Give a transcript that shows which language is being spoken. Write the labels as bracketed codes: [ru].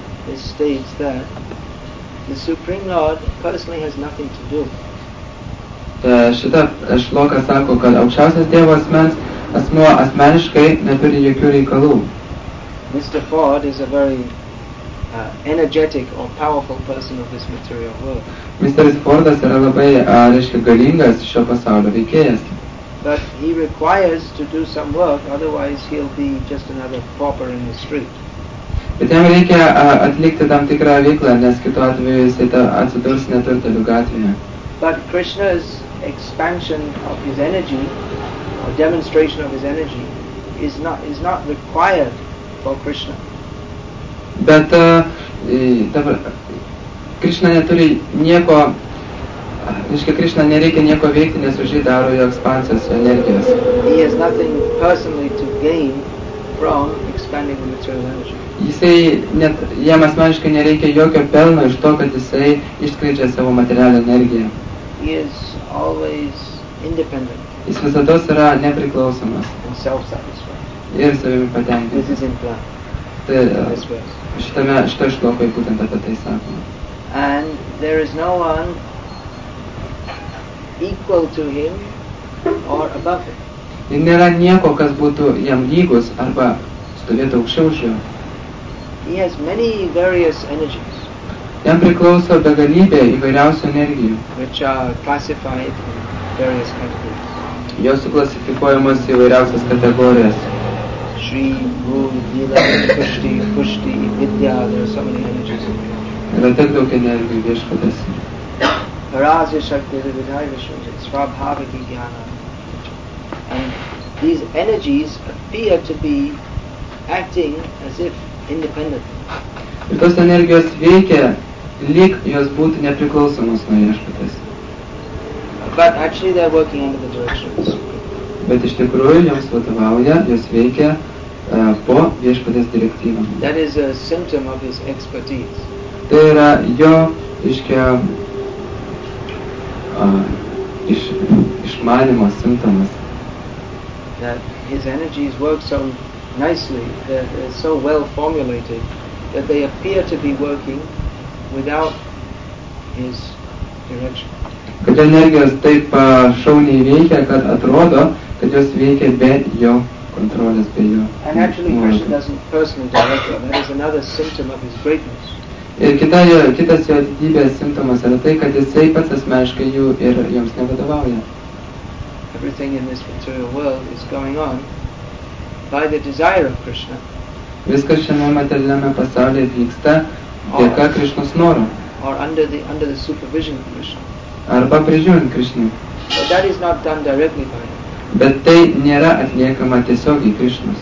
[en] This states that the Supreme Lord personally has nothing to do. [lt] Šita šloka sako, kad aukščiausias Dievo asmuo asmeniškai neturi jokių reikalų. [en] Mr. Ford is a very energetic or powerful person of this material world. Mr. [lt] Fordas yra labai, reiškia, galingas šio pasaulio veikėjas. [en] But he requires to do some work, otherwise he'll be just another pauper in the street. [lt] Bet jam reikia atlikti tam tikrą veiklą, nes kitu atveju jis atsidurs neturtelių gatvėje. [en] But Krishna's expansion of his energy, or demonstration of his energy, is not required for Krishna. [lt] Bet dabar Krishna neturi nieko, reiškia, Krishna nereikia nieko veikti, nes už jį daro jo ekspansijos energijos. [en] He has nothing personally to gain from expanding the material energy. [lt] Jisai net, jam asmeniškai nereikia jokio pelno iš to, kad jisai išskleidžia savo materialią energiją. [en] He is always independent. [lt] Jis visados yra nepriklausomas. [en] And self-satisfied. [lt] Ir savimi patenkinti. [en] This is in plan. [lt] Šitoj šlokoj būtent apie tai sakoma. [en] And there is no one equal to him or above him. [lt] Ir nėra nieko, kas būtų jam lygus arba stovėtų aukščiau už jo. [en] He has many various energies. [lt] Jam priklauso begalybė įvairiausių energijų. [en] Which are classified in various categories. [lt] Jos suklasifikuojamos įvairiausias kategorijas. [en] Shri, Guru, Dila, Kushti, Pushti, Vidya, there are so many energies in [lt] here. Yra tiek daug energijų viešpaties. [sa] Parasya Shakti, Vidhai Vishwajit, Svabhavaki Jnana. [en] And these energies appear to be acting as if independent. [lt] Ir tos energijos veikia, lyg jos būtų nepriklausomos nuo viešpaties. [en] But actually they are working under the direction of the Supreme. [lt] Bet iš tikrųjų joms vadovauja, jos veikia po viešpaties direktyvą. [en] That is a symptom of his expertise. [lt] Tai yra jo išmanymo simptomas. [en] That his energies work so nicely, they're so well formulated, that they appear to be working without his direction. [lt] Kad energijos taip šauniai veikia, kad atrodo, kad jos veikia be jo. [en] And actually Krishna doesn't personally direct them. That is another symptom of his greatness. [lt] Ir kitas jo didybės simptomas yra tai, kad jisai pats asmeniškai jų ir joms nevadovauja. [en] Everything in this material world is going on by the desire of Krishna. [lt] Viskas šiame materialiame pasaulyje vyksta dėka Krishnos noro. [en] Or under the supervision of Krishna. [lt] Arba prižiūrint Krishnai. [en] But that is not done directly by him. [lt] Bet tai nėra atliekama tiesiogiai Krishnos.